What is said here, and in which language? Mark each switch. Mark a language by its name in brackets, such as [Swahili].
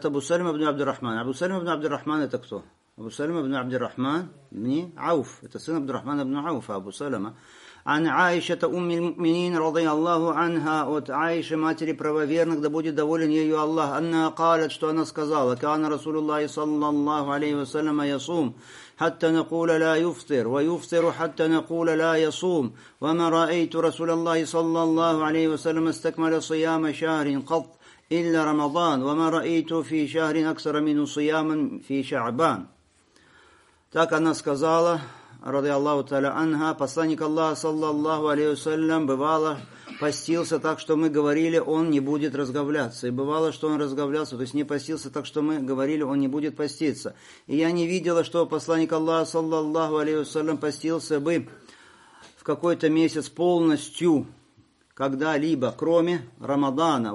[Russian] Это Абу Салима ибн Абдир-Рахман. Абу Салима ибн Абдир-Рахман это кто? Абу Салима ибн Абдир-Рахман ибн Ауф. Это сын Абдир-Рахмана ибн Ауфа, Абу Салима. Ан Аишата умми муминин, ради Аллаху анха, от Аиши, матери правоверных, да будет доволен ею Аллах. Анна калят, что она сказала. Кана Расулуллахи, саллаллаху алейхи вассаляма, ясум. [Arabic] حتى نقول لا يفطر ويفطر حتى نقول لا يصوم وما رأيت رسول الله صلى الله عليه وسلم استكمل صيام شهر قط إلا رمضان وما رأيت في شهر أكثر منه صياما في شعبان. [Russian] Так она сказала, رضي الله تعالى عنها, посланник Аллаха صلى الله عليه وسلم бывало постился так, что мы говорили, он не будет разговляться. И бывало, что он разговлялся, то есть не постился так, что мы говорили, он не будет поститься. И я не видела, что посланник Аллаха, саллаллаху алейхи вассалям, постился бы в какой-то месяц полностью, когда-либо, кроме Рамадана.